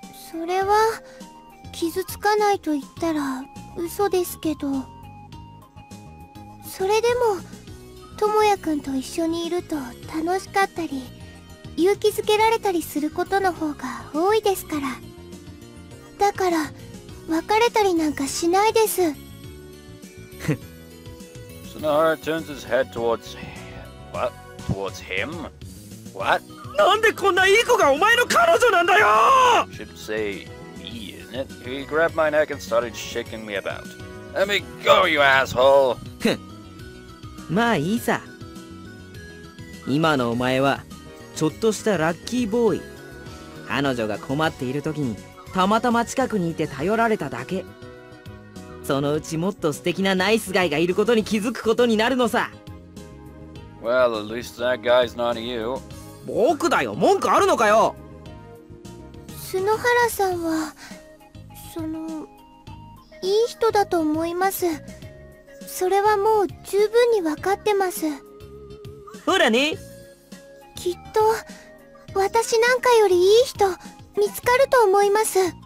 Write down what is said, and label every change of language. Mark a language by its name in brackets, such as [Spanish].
[Japanese] それは傷つかないと言ったら嘘ですけど、それでもトモヤ君と一緒にいると楽しかったり勇気づけられたりすることの方が多いですから、だから別れたりなんかしないです。ふっ。 [English] Sonohara turns his head towards himWhat? Towards him? What? [Japanese] なんでこんないい子がお前の彼女なんだよ! [English] Should say me, isn't it? He grabbed my neck and started shaking me about. Let me go, you asshole! [Japanese] まあいいさ。今のお前はちょっとしたラッキーボーイ。彼女が困っている時にたまたま近くにいて頼られただけ。そのうちもっと素敵なナイスガイがいることに気づくことになるのさ。 [English] Well, at least that guy's not you. [Japanese] 僕だよ、文句あるのかよ。 Sonohara さんは、その、いい人だと思います。それはもう十分に分かってます。ほらね。きっと、私なんかよりいい人、見つかると思います。